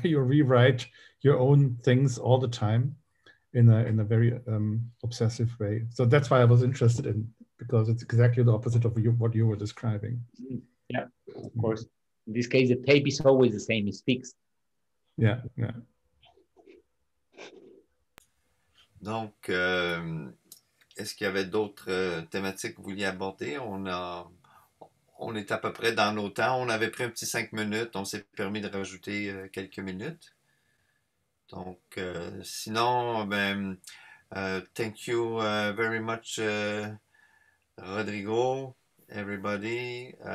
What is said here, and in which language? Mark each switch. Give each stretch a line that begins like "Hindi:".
English: You rewrite your own things all the time in a very obsessive way. So that's why I was interested in, because it's exactly the opposite of what you were describing. Yeah, of course. In this case, the tape is always the same, it's fixed. Yeah, yeah.
French: Donc, est-ce qu'il y avait d'autres thématiques que vous vouliez aborder? On est à peu près dans nos temps. On avait pris un petit 5 minutes. On s'est permis de rajouter quelques minutes. Donc, sinon,
English: thank you very much, Rodrigo, everybody.